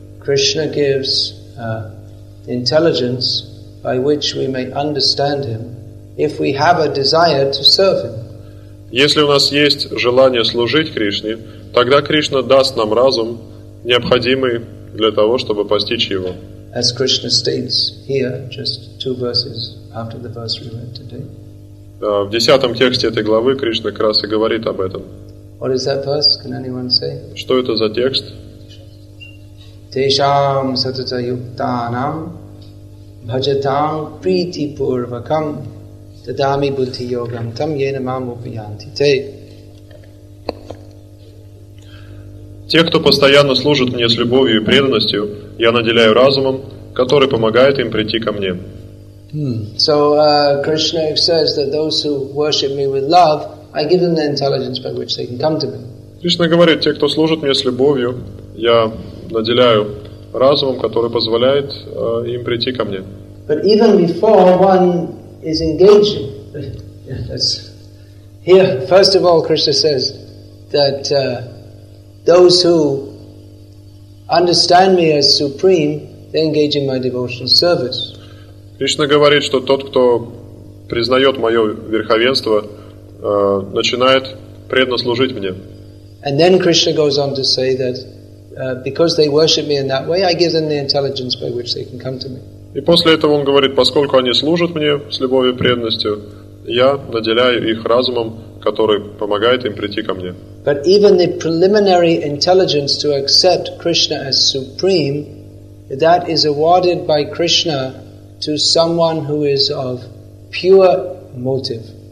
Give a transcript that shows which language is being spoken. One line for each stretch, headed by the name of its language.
English: Krishna gives intelligence by which we may understand him, if we have a desire to serve him.
Russian: Если у нас есть желание служить Кришне, тогда Кришна даст нам разум, необходимый для того, чтобы постичь его.
English: As Krishna states here, just two verses after the verse we read today.
Russian: В 10 тексте этой главы Кришна как раз и говорит об этом.
English: What is that verse? Can anyone say?
Russian: Что это за текст?
Sanskrit: Tesham satata yuktanam bhajatam priti purvakam tadami bhuti yogam tam yena mam upayanti te.
Russian: Те, кто постоянно служит мне с любовью и преданностью, я наделяю разумом, который помогает им прийти ко мне.
English: So Krishna says that those who worship me with love, I give them the intelligence by which they can come to me.
Russian: Кришна говорит, те, кто служит мне с любовью, я наделяю разумом, который позволяет им прийти ко мне.
English: But even before one is engaged, that's here. First of all, Krishna says that those who understand me as supreme, they engage in my devotional service.
Russian: Кришна говорит, что тот, кто признает мое верховенство, начинает преданно служить мне.
English: And then Krishna goes on to say that because they worship me in that way, I give them the intelligence by which they can come to me.
Russian: И после этого он говорит, поскольку они служат мне с любовью и преданностью, я наделяю их разумом, который помогает им прийти ко мне.
English: But even the preliminary intelligence to accept Krishna as supreme, that is awarded by Krishna to someone who is of pure motive.